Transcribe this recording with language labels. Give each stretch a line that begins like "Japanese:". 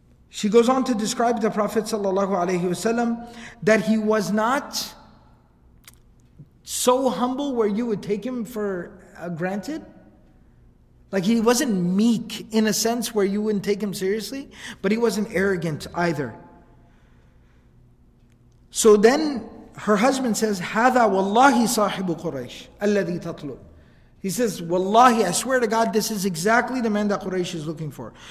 English: She goes on to describe the Prophet ﷺ that he was not so humble where you would take him for granted. Like, he wasn't meek in a sense where you wouldn't take him seriously, but he wasn't arrogant either. So then her husband says,
Arabic: هَذَا وَاللَّهِ صَاحِبُ قُرَيْشِ أَلَّذِي تَطْلُبُ.
English: He says, وَاللَّهِ, I swear to God, this is exactly the man that Quraysh is looking for.